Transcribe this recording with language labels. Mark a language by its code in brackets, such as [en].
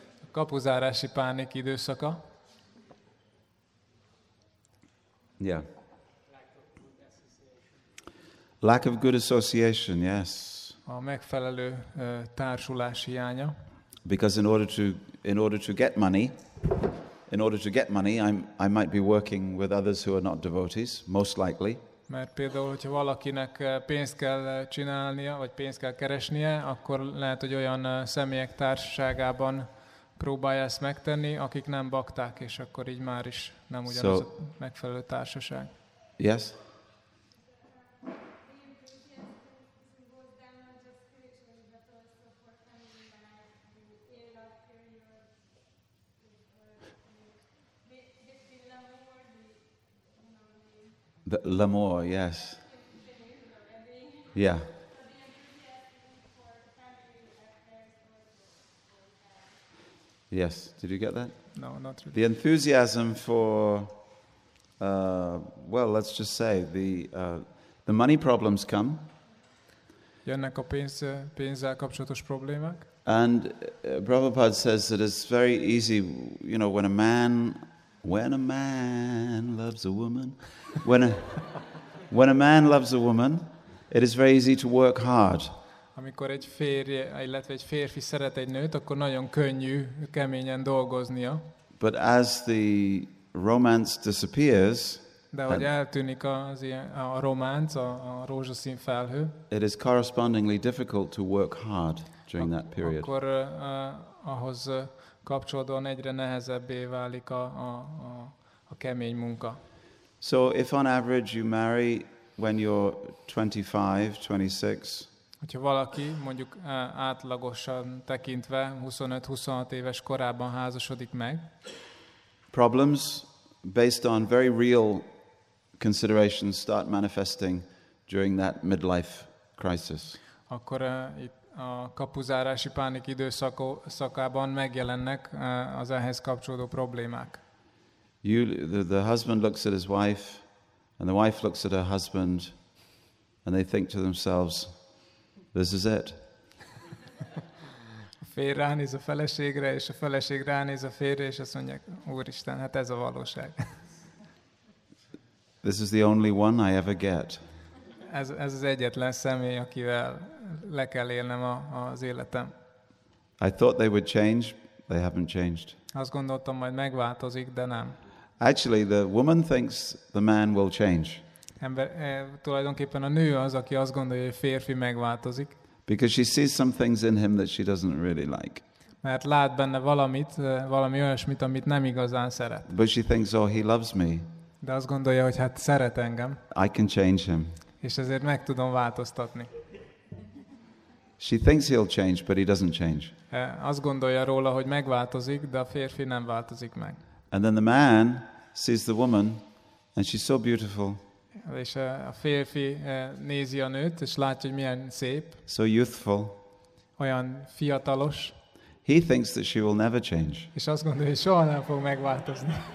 [hu] Kapuzárási pánik időszaka. [en] Yeah. Lack of good association. Yes. [hu] A megfelelő társulás hiánya. [en] Because in order to get money. In order to get money, I might be working with others who are not devotees, most likely. [hu] Mert például, hogyha valakinek pénzt kell csinálnia, vagy pénzt kell keresnie, akkor lehet, hogy olyan személyek társaságában próbálja ezt megtenni, akik nem bakták, és akkor így már is nem ugyanaz a megfelelő társaság. [en] Yes? The L'amour, yes. Yeah. Yes, did you get that? No, not really. The enthusiasm for, well, let's just say, the money problems come. [hu] Jönnek a pénzzel kapcsolatos problémák. [en] And Prabhupada says that it's very easy, you know, when a man loves a woman, it is very easy to work hard. [hu] Amikor egy férj, illetve egy férfi szeret egy nőt, akkor nagyon könnyű keményen dolgoznia. [en] But as the romance disappears, [hu] de hogy eltűnik az a románc, a rózsaszín felhő, [en] it is correspondingly difficult to work hard during that period. [hu] Akkor ahhoz kapcsolódóan egyre nehezebbé válik a kemény munka. [en] So if on average you marry when you're 25, 26, [hu] Hogyha valaki mondjuk átlagosan tekintve 25-26 éves korában házasodik meg. [en] Problems based on very real considerations start manifesting during that midlife crisis. [hu] Akkor itt a kapuzárási pánik időszakában megjelennek az ehhez kapcsolódó problémák. [en] The husband looks at his wife, and the wife looks at her husband, and they think to themselves, this is it. [hu] A fér ránéz a feleségre, és a feleség ránéz a férre, és azt mondják, Úristen, hát ez a valóság. [en] This is the only one I ever get. [hu] Ez az egyetlen személy, akivel le kell élnem az életem. [en] I thought they would change, they haven't changed. [hu] Azt gondoltam, majd megváltozik, de nem. [en] Actually, the woman thinks the man will change. [hu] Tulajdonképpen a nő az, aki azt gondolja, hogy a férfi megváltozik. [en] Because she sees some things in him that she doesn't really like. [hu] Mert lát benne valamit, valami olyasmit, amit nem igazán szeret. [en] But she thinks, oh, he loves me. [hu] De azt gondolja, hogy hát szeret engem. [en] I can change him. [hu] És ezért meg tudom változtatni. [en] She thinks he'll change, but he doesn't change. [hu] Azt gondolja róla, hogy megváltozik, de a férfi nem változik meg. [en] And then the man sees the woman, and she's so beautiful. [hu] És a férfi nézi a nőt, és látja, hogy milyen szép. [en] So youthful. [hu] Olyan fiatalos. [en] He thinks that she will never change. [hu] És azt gondolja, hogy soha nem fog megváltozni.